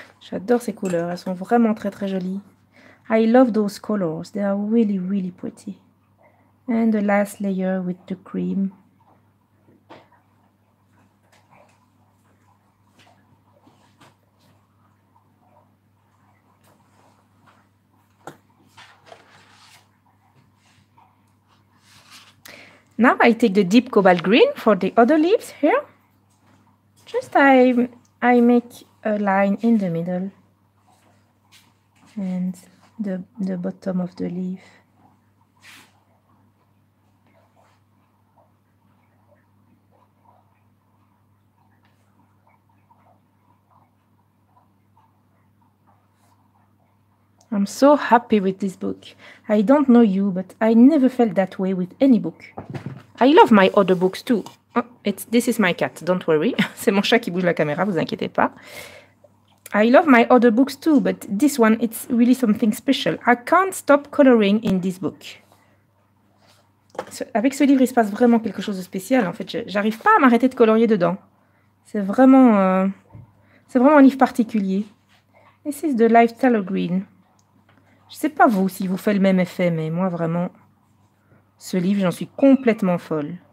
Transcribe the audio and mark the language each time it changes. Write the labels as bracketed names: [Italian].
[French] J'adore ces couleurs, elles sont vraiment très très jolies. [English] I love those colors, they are really really pretty. And the last layer with the cream. Now I take the deep cobalt green for the other leaves here. Just I make a line in the middle and the bottom of the leaf. I'm so happy with this book. I don't know you, but I never felt that way with any book. I love my other books too. Oh, this is my cat, don't worry. [French] C'est mon chat qui bouge la caméra, vous inquiétez pas. [English] I love my other books too, but this one, it's really something special. I can't stop coloring in this book. [French] Avec ce livre, il se passe vraiment quelque chose de spécial. En fait, j'arrive pas à m'arrêter de colorier dedans. C'est vraiment un livre particulier. [English] This is the Lifestyle Green. [French] Je sais pas vous, s'il vous fait le même effet, mais moi, vraiment, ce livre, j'en suis complètement folle.